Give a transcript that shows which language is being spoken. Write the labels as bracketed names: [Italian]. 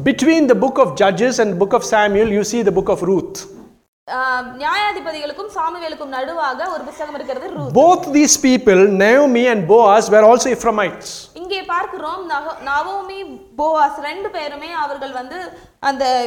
[English] Between the book of Judges and book of Samuel, you see the book of Ruth. [Tamil] நியாயாதிபதிகளுக்கும் சாமுவேலுக்கும் நடுவாக ஒரு புத்தகம் இருக்கிறது Ruth. [English] Both these people, Naomi and Boaz, were also Ephraimites. [Tamil] இங்கே பார்க்கிறோம் நகோமி Boaz ரெண்டு பேருமே அவர்கள் வந்து அந்த